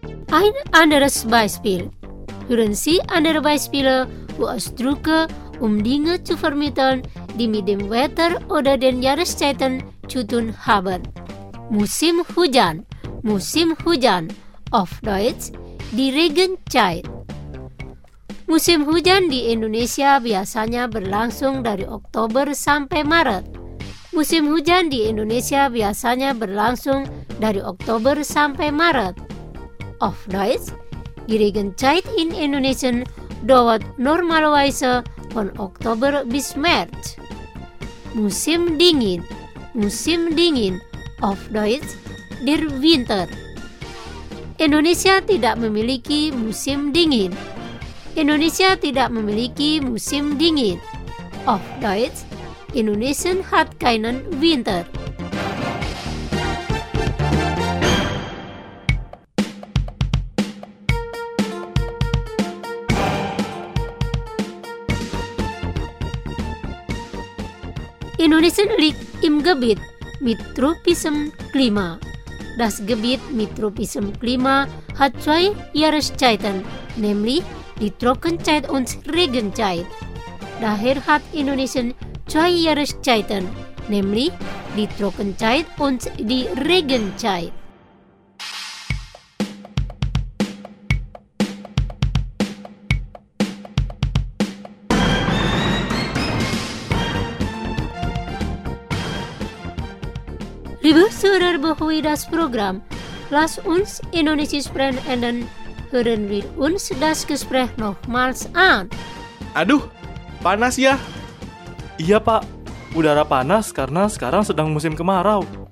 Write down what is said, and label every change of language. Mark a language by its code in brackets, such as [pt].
[de] Ein anderes Beispiel. Hören Sie andere Beispiele, wo es drücke, um Dinge zu vermitteln, die mit dem Wetter oder den Jahreszeiten zu tun haben. Musim Hujan, Musim Hujan, auf Deutsch, die Regenzeit. [id] Musim Hujan di Indonesia biasanya berlangsung dari Oktober sampai Maret. Musim Hujan di Indonesia biasanya berlangsung dari Oktober sampai Maret. [de] Auf Deutsch, die Regenzeit in Indonesien dauert normalerweise von Oktober bis März. Musim dingin, musim dingin, auf Deutsch, der Winter. [id] Indonesia tidak memiliki musim dingin. Indonesia tidak memiliki musim dingin. [de] Auf Deutsch, Indonesien hat keinen Winter. Indonesien liegt im Gebiet mit tropischem Klima. Das Gebiet mit tropischem Klima hat zwei Jahreszeiten, nämlich die Trockenzeit und Regenzeit. Daher hat Indonesien zwei Jahreszeiten, nämlich die Trockenzeit und die Regenzeit. Liebe Zuhörer, bevor wir das Programm Lass uns Indonesisch sprechen enden, hören wir uns das Gespräch nochmals an. [id] Aduh, panas ya. Iya, Pak. Udara panas karena sekarang sedang musim kemarau.